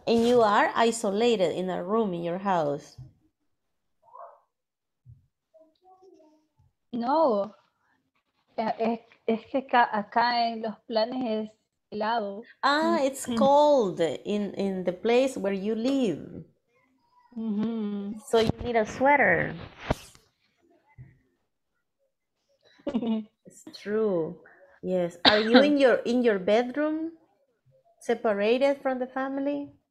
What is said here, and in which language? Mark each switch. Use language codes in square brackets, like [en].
[en] And you are isolated in a room in your house. [es] No, es que acá en los planes es helado. [en] Ah, it's cold in the place where you live. Mm-hmm. So you need a sweater. It's true. Yes. Are you in your bedroom, separated from the family?